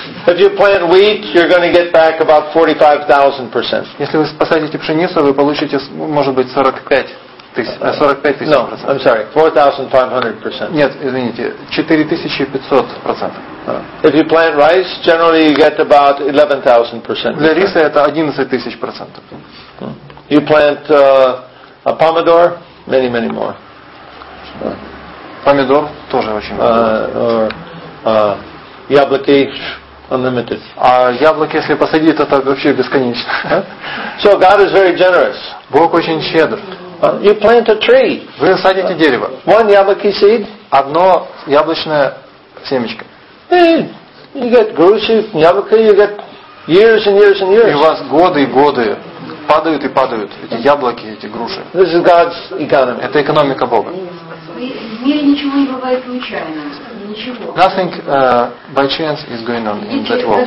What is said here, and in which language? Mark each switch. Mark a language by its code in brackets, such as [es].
[en] If you plant wheat, you're going to get back about 45,000%. [ru] Если вы посадите пшеницу, вы получите, может быть, 45,000%. [en] No, I'm sorry, 4,500%. [ru] Нет, извините, 4,500%. [en] If you plant rice, generally you get about 11,000%. [ru] Для риса это 11,000%. [en] You plant a pomodoro, many, many more. [ru] Помидор тоже очень много. Яблоки unlimited. А яблоки, если посадить, это вообще бесконечно. [en] So God is very generous. [ru] Бог очень щедр. [en] You plant a tree. [ru] Вы садите дерево. [en] One [ru] яблоки [en] seed. [ru] Одно яблочное семечко. [en] You get [ru] груши, яблоки, [en] you get years and years and years. [ru] И у вас годы и годы. Падают и падают эти яблоки, эти груши. [en] This is God's economy. [ru] Это экономика Бога. В мире ничего не бывает случайно. [en] Nothing by chance is going on in that world.